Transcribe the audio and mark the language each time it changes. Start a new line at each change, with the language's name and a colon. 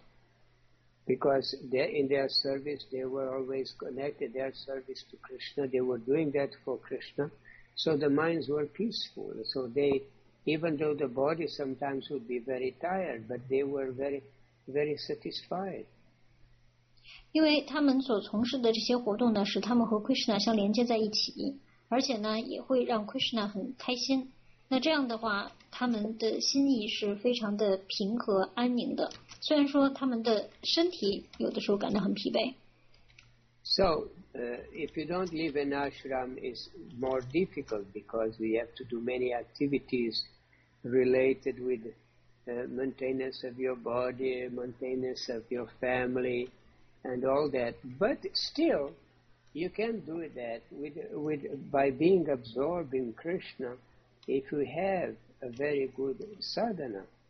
English: they're in their service, they were always connected their service to Krishna. They were doing that for Krishna. So the minds were peaceful. So they, even though the body sometimes would be very tired, but they were very, very satisfied.
Chinese: 因为他们所从事的这些活动呢，使他们和 Krishna 相连接在一起，而且呢，也会让 Krishna 很开心。那这样的话，他们的心意是非常的平和安宁的。虽然说他们的身体有的时候感到很疲惫。
English: So, if you don't live in ashram, it's more difficult because we have to do many activities related with maintenance of your body, maintenance of your family. And all that, but still, you can do that with by being absorbed in Krishna if you have a very good sadhana.